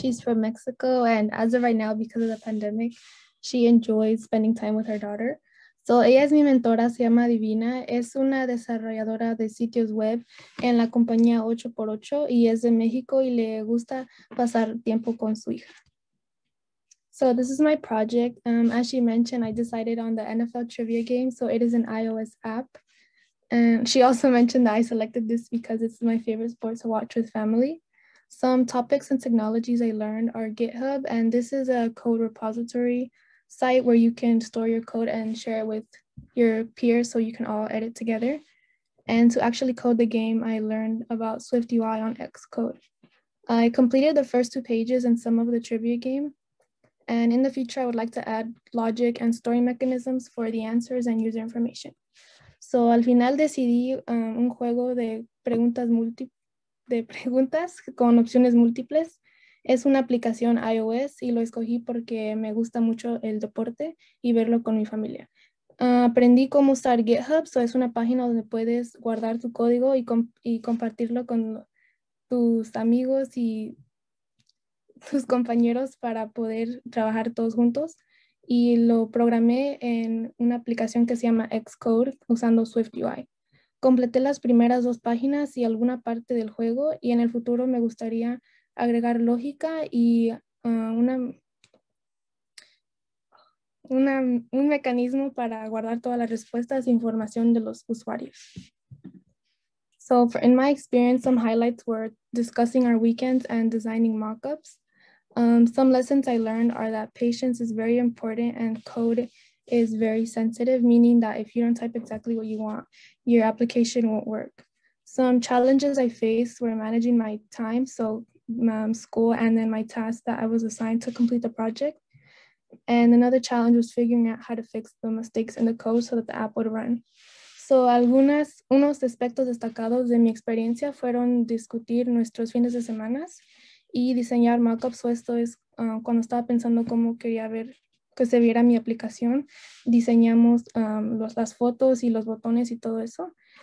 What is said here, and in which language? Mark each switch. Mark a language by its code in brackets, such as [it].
[en] She's from Mexico, and as of right now, because of the pandemic, she enjoys spending time with her daughter. [es] So ella es mi mentora, se llama Divina. Es una desarrolladora de sitios web en la compañía 8x8, y es de México, y le gusta pasar tiempo con su hija. [en] So this is my project. As she mentioned, I decided on the NFL trivia game. So it is an iOS app. And she also mentioned that I selected this because it's my favorite sport to watch with family. Some topics and technologies I learned are GitHub, and this is a code repository site where you can store your code and share it with your peers so you can all edit together. And to actually code the game, I learned about Swift UI on Xcode. I completed the first two pages and some of the trivia game. And in the future, I would like to add logic and story mechanisms for the answers and user information. [es] So, al final decidí un juego de preguntas con opciones múltiples. Es una aplicación iOS y lo escogí porque me gusta mucho el deporte y verlo con mi familia. Aprendí cómo usar GitHub, so es una página donde puedes guardar tu código y compartirlo con tus amigos y tus compañeros para poder trabajar todos juntos. Y lo programé en una aplicación que se llama Xcode usando Swift UI. Completé las primeras dos páginas y alguna parte del juego y en el futuro me gustaría agregar lógica y un mecanismo para guardar todas las respuestas e información de los usuarios. [en] So for, in my experience, some highlights were discussing our weekends and designing mockups. Some lessons I learned are that patience is very important and code is very sensitive, meaning that if you don't type exactly what you want, your application won't work. Some challenges I faced were managing my time, so school and then my tasks that I was assigned to complete the project. And another challenge was figuring out how to fix the mistakes in the code so that the app would run. [es] So unos aspectos destacados de mi experiencia fueron discutir nuestros fines de semana y diseñar mockups, so esto es cuando estaba pensando cómo quería ver que se viera mi aplicación, diseñamos las fotos y los botones y todo eso.